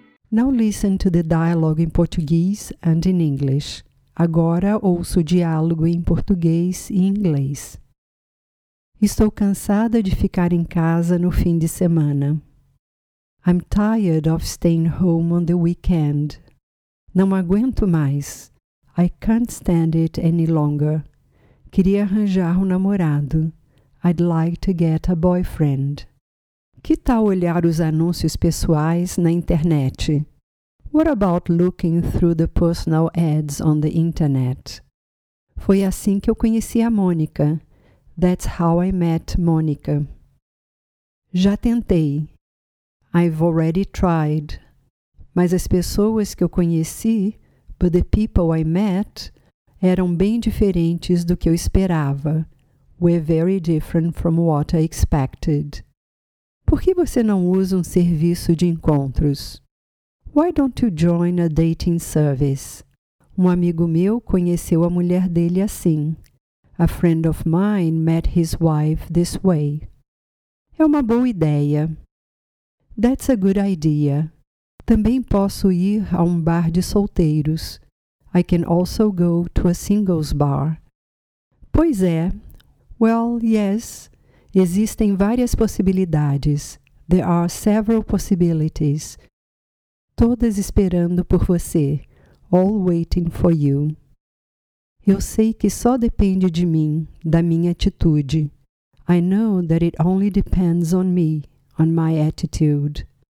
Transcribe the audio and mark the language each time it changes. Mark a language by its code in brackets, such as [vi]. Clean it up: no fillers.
[en] Now listen to the dialogue in Portuguese and in English. [pt] Agora ouço o diálogo em português e inglês. Estou cansada de ficar em casa no fim de semana. [en] I'm tired of staying home on the weekend. [pt] Não aguento mais. [en] I can't stand it any longer. [pt] Queria arranjar um namorado. [en] I'd like to get a boyfriend. [pt] Que tal olhar os anúncios pessoais na internet? [en] What about looking through the personal ads on the internet? [pt] Foi assim que eu conheci a Mônica. [en] That's how I met Mônica. [pt] Já tentei. [en] I've already tried. [pt] Mas as pessoas que eu conheci, [en] but the people I met, [pt] eram bem diferentes do que eu esperava. [en] Were very different from what I expected. [pt] Por que você não usa um serviço de encontros? [en] Why don't you join a dating service? [pt] Um amigo meu conheceu a mulher dele assim. [en] A friend of mine met his wife this way. [pt] É uma boa ideia. [en] That's a good idea. [pt] Também posso ir a um bar de solteiros. [en] I can also go to a singles bar. [pt] Pois é. [en] Well, yes. [pt] Existem várias possibilidades. [en] There are several possibilities. [pt] Todas esperando por você. [en] All waiting for you. [pt] Eu sei que só depende de mim, da minha atitude. [en] I know that it only depends on me, on my attitude.